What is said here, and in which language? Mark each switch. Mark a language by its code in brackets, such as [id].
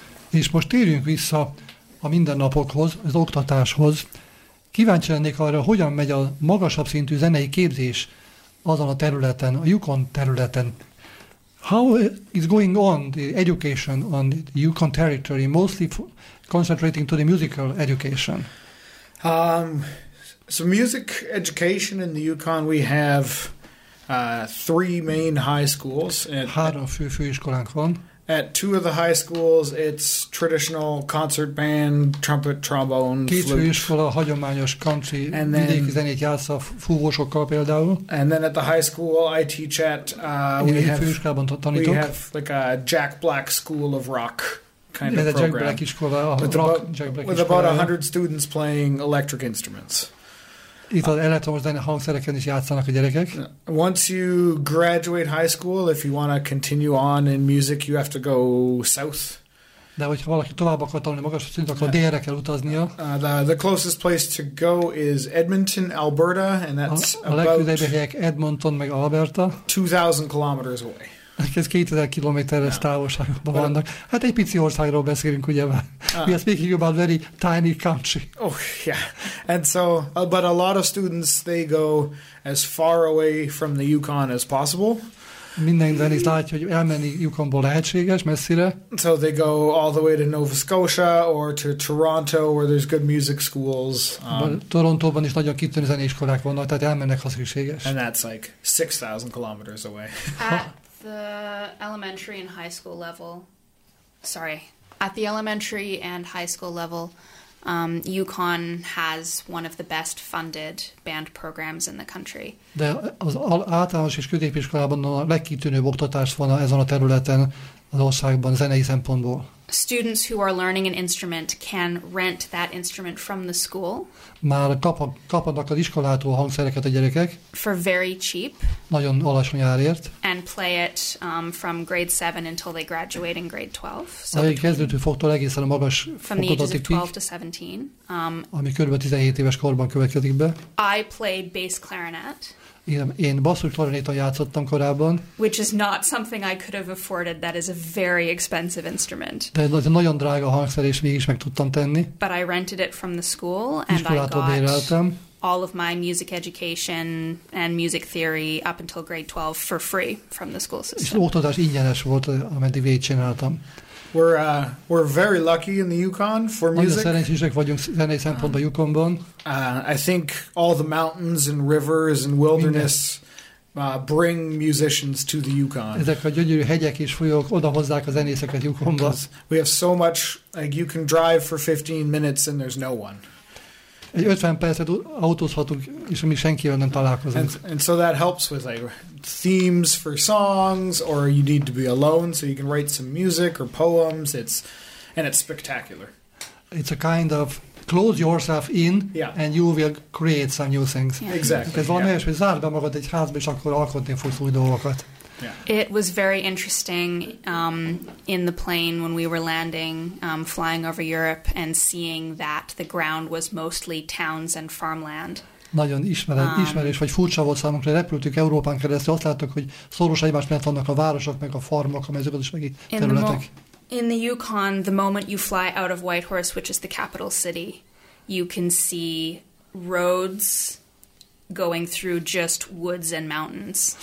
[hu] És most térjünk vissza a mindennapokhoz, az oktatáshoz. Kíváncsi lennék arra, hogyan megy a magasabb szintű zenei képzés azon a területen, a Yukon területen. [en] How is going on the education on the Yukon territory, mostly concentrating to the musical education? So music education in the Yukon, we have three main high schools. [hu] Három fő főiskolánk van. [en] At two of the high schools, it's traditional concert band, trumpet, trombone, [hu] két [en] flute. [hu] Főiskola hagyományos country, [en] and then, [hu] vidéki zenét játsz a fúvósokkal például. [en] And then at the high school I teach at, we have like a Jack Black School of Rock kind of program. [hu] Jack Black iskola, Jack Black iskola, [en] with about 100 students playing electric instruments. [hu] Itt az elektromos hangszereken is játszanak a gyerekek. [en] Once you graduate high school, if you want to continue on in music, you have to go south. [hu] De hogyha valaki tovább akar tanulni magas szintű, akkor délre kell utaznia. [en] The closest place to go is Edmonton, Alberta, and that's [hu] a legközelebbi helyek Edmonton meg Alberta. [en] 2,000 kilometers away. [hu] Ez 2000 kilométeres távolságban vannak. Hát egy pici országról beszélünk, ugye? [en] We are speaking about very tiny country. Oh, yeah. And so, but a lot of students, they go as far away from the Yukon as possible. [hu] Mindenben is látja, hogy elmenni Yukonból lehetséges, messzire. [en] So they go all the way to Nova Scotia or to Toronto, where there's good music schools. [hu] Torontóban is nagyon kitűnő zenéiskolák vannak, tehát elmennek, ha szükséges. [en] And that's like 6,000 kilometers away. The elementary and high school level, sorry, at the elementary and high school level, UConn has one of the best funded band programs in the country. [hu] De az általános és középiskolában a legkitűnőbb oktatás van ezen a területen az országban zenei szempontból. [en] Students who are learning an instrument can rent that instrument from the school. [hu] Már kapnak az iskolától hangszereket a gyerekek. [en] For very cheap. [hu] Nagyon alacsony árért. [en] And play it from grade 7 until they graduate in grade 12. [hu] So a kezdőtől fogtól egészen a magas fokozatig. [en] From the ages of 12 to 17. [hu] Ami körülbelül 17 éves korban következik be. [en] I play bass clarinet. [hu] Én basszus klarinéton játszottam korábban. [en] Which is not something I could have afforded. That is a very expensive instrument. [hu] De ez nagyon drága hangszer, és mégis meg tudtam tenni. [en] But I rented it from the school, and I got all of my music education and music theory up until grade 12 for free from the school system. [hu] És oktatás ingyenes volt, ameddig végig csináltam. [en] We're very lucky in the Yukon for music. [hu] Nagyon szerencsések vagyunk zenei szempontban a Yukonban. [en] I think all the mountains and rivers and wilderness bring musicians to the Yukon. [hu] Ezek a gyönyörű hegyek és folyók oda hozzák a zenészeket Yukonba. [en] We have so much, like you can drive for 15 minutes and there's no one. Egy 50 percet autózhatunk, és mi senkivel nem találkozunk. And so that helps with like themes for songs, or you need to be alone so you can write some music or poems. It's spectacular. It's a kind of close yourself in, yeah, and you will create some new things. Yeah. Exactly. [hu] Ez valami olyasmi, hogy zárd be magad egy házba, és akkor alkotni fogsz új dolgokat. [en] Yeah. It was very interesting in the plane when we were landing, flying over Europe, and seeing that the ground was mostly towns and farmland. [hu] Nagyon ismerős vagy furcsa volt számunkra, hogy repültük Európán keresztül, azt láttuk, hogy szoros egymás mellett vannak a városok, meg a farmok, a mezőgazdasági területek. [en] In the Yukon, the moment you fly out of Whitehorse, which is the capital city, you can see roads going through just woods and mountains.